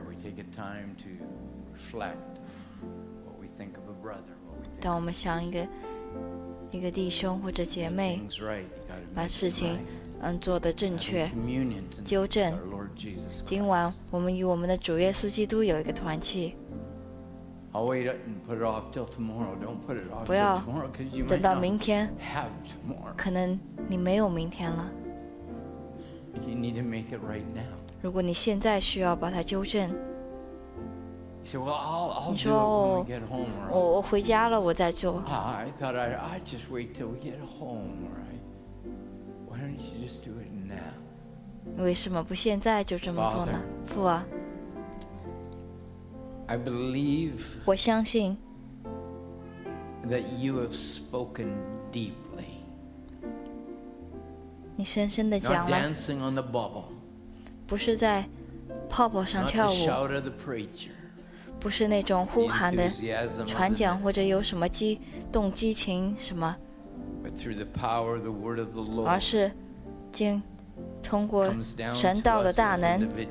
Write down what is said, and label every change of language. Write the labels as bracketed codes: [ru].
[en] We take a time to reflect what we think of a brother. [zh] 当我们想一个弟兄或者姐妹，把事情做得正确，纠正。今晚我们与我们的主耶稣基督有一个团契。 [en] I'll wait up and put it off till tomorrow. Don't put it off till tomorrow, because you might not have tomorrow. [zh] 可能你没有明天了。 [en] You need to make it right now. [zh] 如果你现在需要把它纠正。 [en] You say, well, I'll do it when we get home. [zh] 我回家了，我再做。 [en] I thought I'd just wait till we get home, right? Why don't you just do it now? [zh] 为什么不现在就这么做呢，父啊？ [en] I believe [zh] 我相信 [en] that you have spoken deeply. [zh] 你深深地讲了。 [en] Not dancing on the bubble. [zh] 不是在泡泡上跳舞。 [en] Not the shout of the preacher. [zh] 不是那种呼喊的传讲或者有什么激动激情什么。 [en] But through the power of the word of the Lord. [zh] 而是经通过神道的大能。